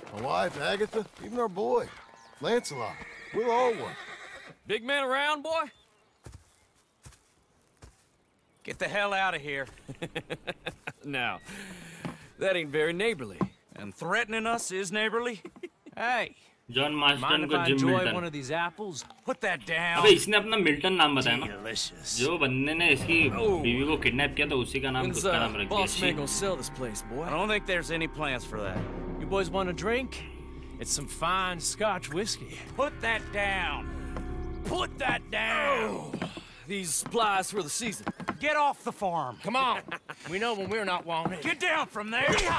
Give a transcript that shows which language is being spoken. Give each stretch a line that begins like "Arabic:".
English: My wife, Agatha, even our boy, Lancelot. We'll all work. Big man around, boy? Get the hell out of here. Now, that ain't very neighborly. And threatening us is neighborly? Hey.
Hindi: John Marston को gym Milton अबे इसने अपना Milton नाम बताया ना जो बंदे ने इसकी बीवी को किडनैप किया था उसी का नाम उसका नाम रख दिया
English: She Boss sell this place, boy. I don't think there's any plans for that. You boys want a drink? It's some fine scotch whiskey. Put that down. Put that down. These supplies for the season. Get off the farm. Come on. We know when we're not wanted. Get down from there.